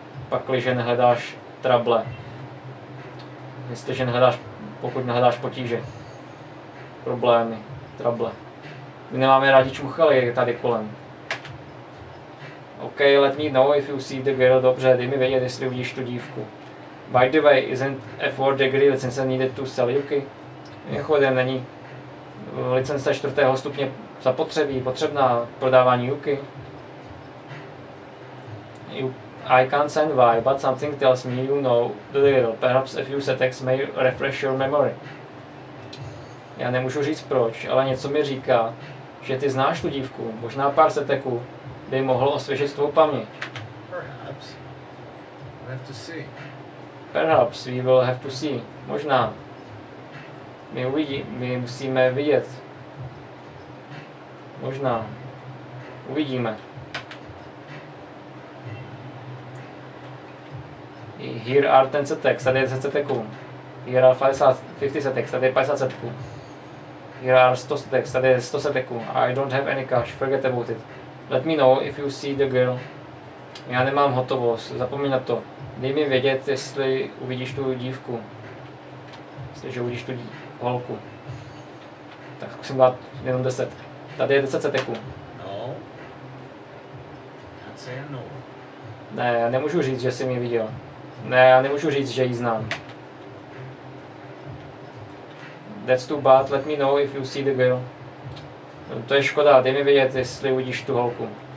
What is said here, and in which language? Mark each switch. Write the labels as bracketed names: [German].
[Czech] pakliže nehledáš trable. Jestliže nehledáš, pokud nehledáš potíže, problémy, trable. My nemáme rádi čuchaly tady kolem. [English] OK, let me know if you see the girl. [Czech] Dobře, dej mi vědět, jestli uvidíš tu dívku. [English] By the way, isn't a 4 degree licence needed to sell yuki? [Czech] Mimochodem, není licence 4. stupně zapotřebí, potřebná prodávání yuki. [English] You, I can't send why, but something tells me you know the girl. Perhaps a few setbacks may refresh your memory. [Czech] Já nemůžu říct proč, ale něco mi říká, že ty znáš tu dívku, možná pár seteků by mohlo osvěžit tvou paměť. [English] Perhaps. We have to see. Perhaps we will have to see. [Czech] Možná. My uvidíme, my musíme vidět. Možná. Uvidíme. [English] Here are 10 seteks, [Czech] tady je 10 seteků. [English] Here are 50 seteks, [Czech] tady je 50 setků. [English] Here are 100 seteks, [Czech] tady je 100 seteků. [English] I don't have any cash, forget about it. Let me know if you see the girl. [Czech] Já nemám hotovost, zapomeň na to. Dej mi vědět, jestli uvidíš tu dívku. Jestliže uvidíš tu holku. Tak zkusím dát jenom 10. Tady je 10 seteků. [English] No. That's a no. [Czech] Ne, já nemůžu říct, že jsi mě viděl. Ne, já nemůžu říct, že ji znám. [English] That's too bad, let me know if you see the girl. [Czech] To je škoda, dej mi vědět, jestli uvidíš tu holku.